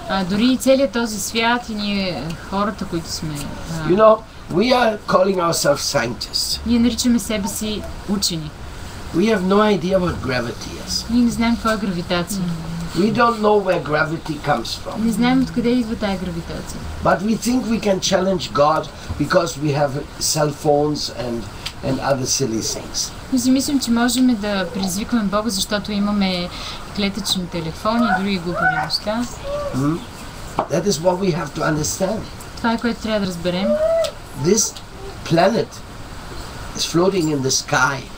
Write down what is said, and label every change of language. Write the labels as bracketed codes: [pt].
[bg] Дори и целият този свят и ние хората, които сме. [en] You know, we are calling ourselves scientists. [bg] Ние наричаме себе си учени. [en] We have no idea what gravity is. [bg] Ние не знаем какво е гравитация. [en] We don't know where gravity comes from. [bg] Не знаем откъде идва тази гравитация. [en] But we think we can challenge God because we have cell phones and other silly things. [bg] Но си мислим, че можем да призвикваме Бога, защото имаме клетъчни телефони и други глупави неща. [en] That is what we have to understand. [bg] Това е, което трябва да разберем. [en] This planet is floating in the sky.